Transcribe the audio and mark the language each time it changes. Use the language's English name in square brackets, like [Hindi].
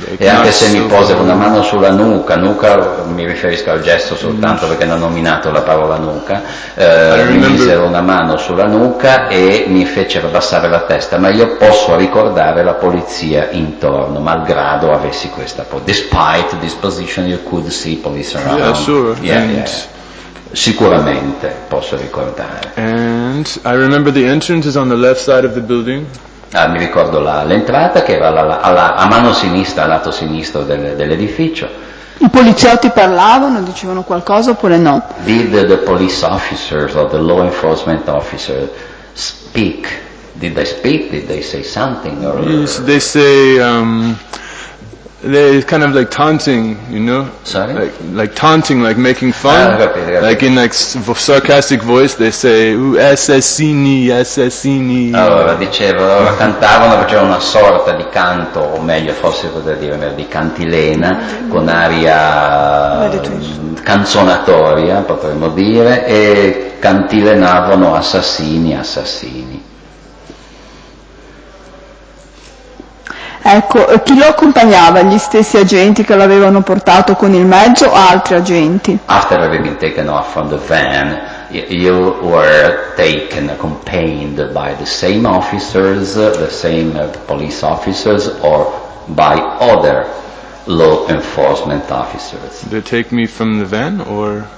[Italian] E anche se mi pose con una mano sulla nuca, mi riferisco al gesto soltanto perché non ho nominato la parola nuca, mi mise una mano sulla nuca e mi fece abbassare la testa, ma io posso ricordare la polizia intorno, malgrado avessi questa, [English] despite this position you could see police around. Yeah, sure. Yeah, and, [Italian] yeah. sicuramente posso ricordare. [English] And I remember the entrance is on the left side of the building. [Italian] Ah, mi ricordo l'entrata che va a mano sinistra, al lato sinistro dell'edificio. I poliziotti parlavano, dicevano qualcosa oppure no? [English] Did the police officers or the law enforcement officers speak? Did they speak? Did they say something? Or yes, they say they're kind of like taunting, you know? Sorry? Like taunting, like making fun. [Italian] Capito. [English] Like in like sarcastic voice they say assassini, assassini. [Italian] Allora dicevo, cantavano, facevano una sorta di canto, o meglio forse potrei dire di cantilena, con aria canzonatoria, potremmo dire, e cantilenavano assassini, assassini. Ecco, chi lo accompagnava? Gli stessi agenti che l'avevano portato con il mezzo o altri agenti? [English] After having been taken off from the van, you were taken, accompanied by the same officers, the same police officers, or by other law enforcement officers. Did they take me from the van or?